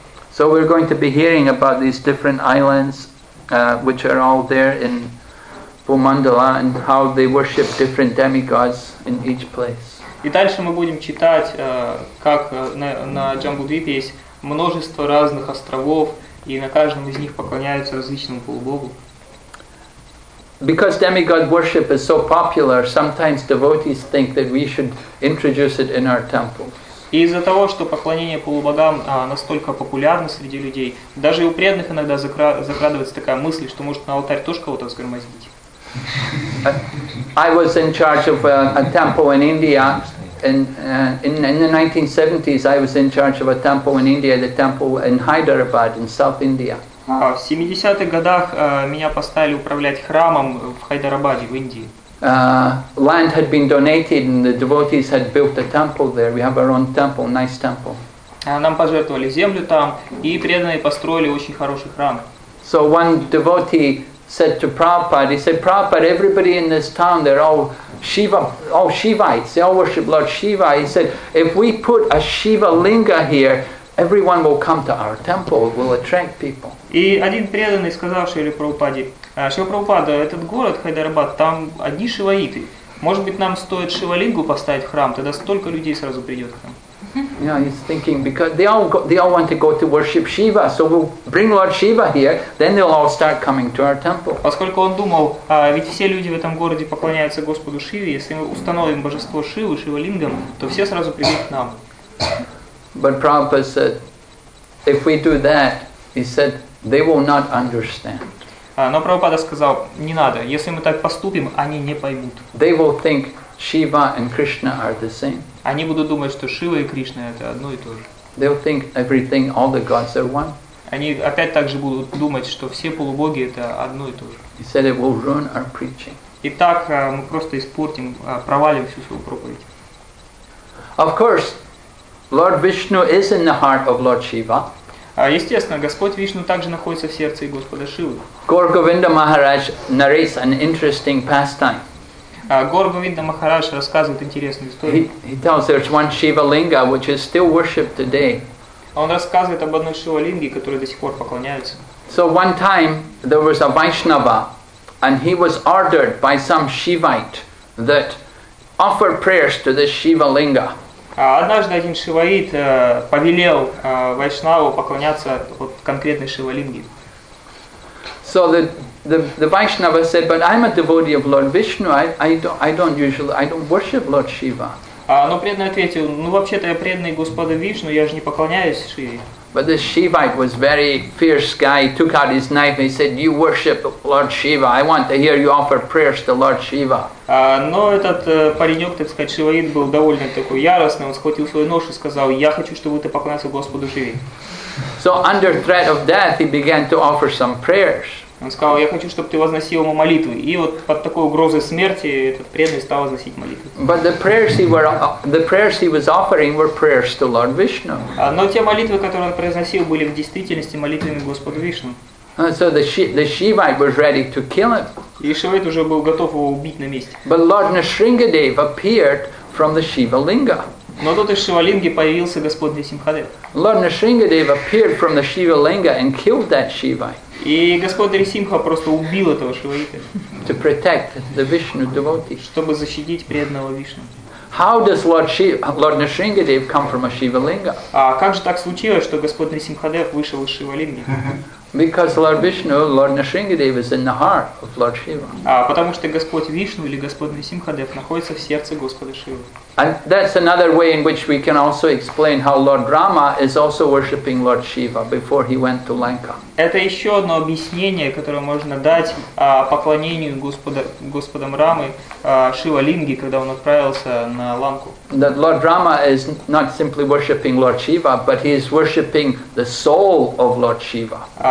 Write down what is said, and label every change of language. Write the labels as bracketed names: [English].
[English] So we're going to be hearing about these different islands, which are all there in Mandala, and how they worship different demigods in each place. [Russian] И дальше мы будем читать, как на Джамбудвипе есть множество разных островов, и на каждом из них поклоняются различному полубогу. [English] Because demigod worship is so popular, sometimes devotees think that we should introduce it in our temple. [Russian] И из-за того, что поклонение полубогам настолько популярно среди людей, даже у преданных иногда закрадывается такая мысль, что может на алтарь тоже кого-то сгромоздить. [English] I was in charge of a temple in India, in the 1970s I was in charge of a temple in India, the temple in Hyderabad in South India. [Russian] В 70-х годах меня поставили управлять храмом в Хайдарабаде в Индии. [English] Land had been donated and the devotees had built a temple there. We have our own temple, nice temple. [Russian] Нам пожертвовали землю там и преданные построили очень хороший храм. [English] So one devotee said to Prabhupada, he said, Prabhupada, everybody in this town, they're all Shiva, all Shivites, they all worship Lord Shiva. He said, if we put a Shiva Linga here, everyone will come to our temple, it will attract people. [Russian] И один преданный сказал Шиле Прабхупаде, Шива Прабхупада, этот город Хайдарабад, там одни шиваиты. Может быть, нам стоит Шива Лингу поставить в храм, тогда столько людей сразу придет к нам. [English] Yeah, he's thinking because they all want to go to worship Shiva, so we'll bring Lord Shiva here, then they'll all start coming to our temple. [Russian] Поскольку он думал, ведь все люди в этом городе поклоняются Господу Шиве, если мы установим божество Шивы, Шивалингам, то все сразу придут к нам. [English] But Prabhupada said, if we do that, he said, they will not understand. [Russian] Но Прабхупада сказал, не надо, если мы так поступим, они не поймут. [English] They will think Shiva and Krishna are the same. [Russian] Они будут думать, что Шива и Кришна это одно и то же. [English] They'll think everything, all the gods are one. [Russian] Они опять также будут думать, что все полубоги это одно и то же. [English] He said it will ruin our preaching. [Russian] Итак, мы просто испортим, провалим всю свою проповедь. [English] Of course, Lord Vishnu is in the heart of Lord Shiva. [Russian] Естественно, Господь Вишну также находится в сердце Господа Шивы. [English] Gaur Govinda Maharaj narrates an interesting pastime. [Russian] Гор Говинда Махарадж рассказывает интересную историю. [English] He tells there's one Shiva Linga which is still worshipped today. [Russian] Он рассказывает об одной Шива Линге, которой до сих пор поклоняются. [English] So one time there was a Vaishnava, and he was ordered by some Shivite that offered prayers to this Shiva Linga. [Russian] Однажды один Шиваит повелел Вайшнаву поклоняться вот конкретной Шива Линге. [English] So the the Vaishnava said, but I'm a devotee of Lord Vishnu. I don't worship Lord Shiva. [Russian] Но преданный ответил: ну вообще-то я преданный Господа Вишну, я же не поклоняюсь Шиве. [English] But this Shivite was very fierce guy. He took out his knife and he said, "You worship Lord Shiva. I want to hear you offer prayers to Lord Shiva." [Russian] Но этот паренек, так сказать, Шиваид, был довольно такой яростный. Он схватил свой нож и сказал: "Я хочу, чтобы ты поклонялся Господу Шиве." [English] So under threat of death, he began to offer some prayers. [Russian] Он сказал: "Я хочу, чтобы ты возносил ему молитвы." И вот под такой угрозой смерти этот преданный стал возносить молитвы. [English] But the prayers he was offering were prayers to Lord Vishnu. [Russian] Но те молитвы, которые он произносил, были в действительности молитвами Господу Вишну. [English] So the Shivite was ready to kill him. [Russian] И Шивайт уже был готов его убить на месте. [English] But Lord Nrisimhadev appeared from the Shiva Linga. [Russian] Но тут из Шивалинги появился Господь Нрисимхадев. [English] Lord Nrisimhadev appeared from the Shiva Linga and killed that Shivite. [Russian] И Господь Нрисимха просто убил этого Шиваита. [English] To protect the Vishnu devotee. [Russian] Чтобы защитить преданного Вишну. [English] How does Lord Nrisimhadev come from a Shiva Linga? [Russian] А как же так случилось, что Господь Нрисимхадев вышел из Шивалинги? [English] Because Lord Vishnu, Lord Nrisimhadev is in the heart of Lord Shiva. [Russian] А потому что Господь Вишну или Господь Нрисимхадев находится в сердце Господа Шивы. [English] And that's another way in which we can also explain how Lord Rama is also worshipping Lord Shiva before he went to Lanka. [Russian] Это еще одно объяснение, которое можно дать поклонению Господом Рамы Шивалинги, когда он отправился на Ланку. [English] That Lord Rama is not simply worshipping Lord Shiva, but he is worshipping the soul of Lord Shiva.